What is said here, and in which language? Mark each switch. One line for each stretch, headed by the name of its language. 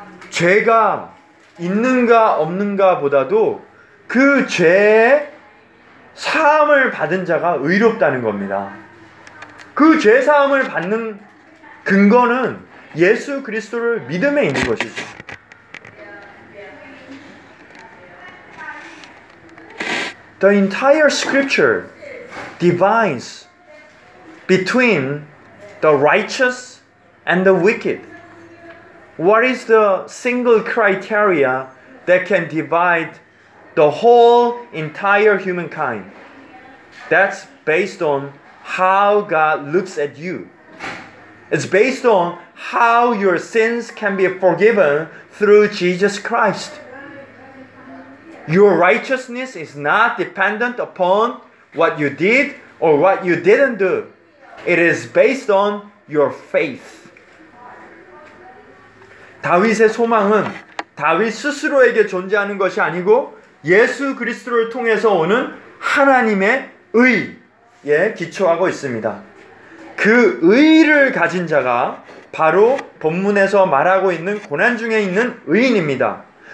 Korean: 죄가 있는가 없는가 보다도 그 죄의 사함을 받은 자가 의롭다는 겁니다. 그 죄 사함을 받는 근거는 예수 그리스도를 믿음에 있는 것이죠.
English: 'The entire scripture divides between the righteous and the wicked. What is the single criteria that can divide the whole entire humankind? That's based on how God looks at you. It's based on how your sins can be forgiven through Jesus Christ. Your righteousness is not dependent upon what you did or what you didn't do. It is based on your faith.
Korean: 다윗의 소망은 다윗 스스로에게 존재하는 것이 아니고 예수 그리스도를 통해서 오는 하나님의 의에 기초하고 있습니다. 그 의를 가진 자가 바로 본문에서 말하고 있는 고난 중에 있는 의인입니다.